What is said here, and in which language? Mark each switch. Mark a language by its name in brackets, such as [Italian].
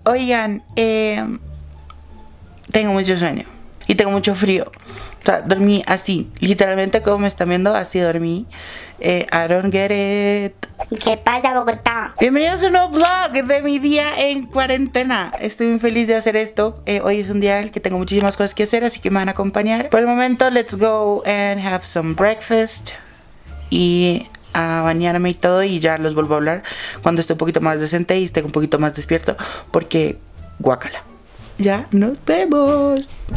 [Spanish] Oigan, tengo mucho sueño y tengo mucho frío. O sea, dormí así, literalmente como me están viendo, así dormí. [English] I don't get it. [Spanish] ¿Qué pasa, Bogotá? Bienvenidos a un nuevo vlog de mi día en cuarentena. Estoy muy feliz de hacer esto. Hoy es un día en el que tengo muchísimas cosas que hacer, así que me van a acompañar. [English] Por el momento, let's go and have some breakfast. [Spanish] Y a bañarme y todo, y ya los vuelvo a hablar cuando esté un poquito más decente y esté un poquito más despierto, porque guácala. Ya nos vemos.